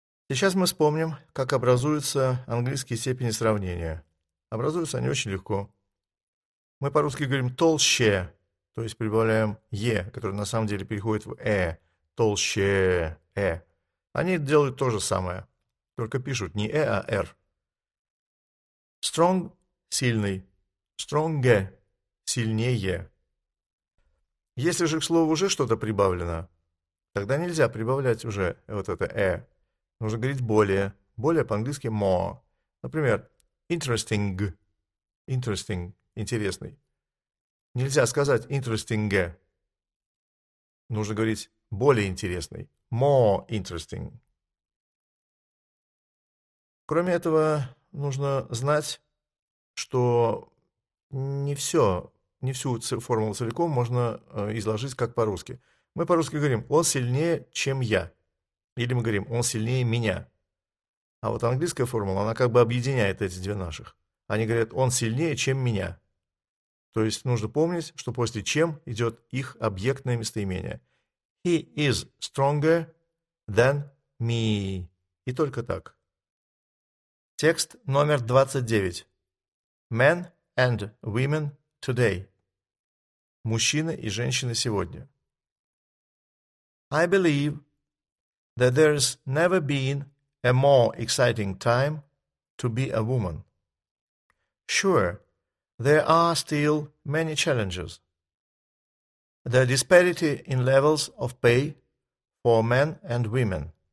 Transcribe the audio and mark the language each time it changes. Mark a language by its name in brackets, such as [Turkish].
[Russian] Сейчас мы вспомним, как образуются английские степени сравнения. Образуются они очень легко. Мы по-русски говорим «толще», то есть прибавляем «е», которое на самом деле переходит в «э». «Толще», «э». Они делают то же самое, только пишут не «э», а «р». «Strong» – «сильный». [English] «Stronger» [Russian] – «сильнее». Если же к слову уже что-то прибавлено, тогда нельзя прибавлять уже вот это «э». Нужно говорить «более». «Более» по-английски «more». Например, «interesting». «Interesting» – «интересный». Нельзя сказать «interesting». Нужно говорить «более интересный». [English] «More interesting». [Russian] Кроме этого, нужно знать, что не всю формулу целиком можно изложить как по-русски. Мы по-русски говорим «он сильнее, чем я». Или мы говорим «он сильнее меня». А вот английская формула, она как бы объединяет эти две наших. Они говорят «он сильнее, чем меня». То есть нужно помнить, что после «чем» идет их объектное местоимение. [English] «He is stronger than me». [Russian] И только так. Текст номер 29. [English] «Men and women today». [Russian] «Мужчины и женщины сегодня». [English] «I believe that there's never been a more exciting time to be a woman. Sure, there are still many challenges. The disparity in levels of pay for men and women.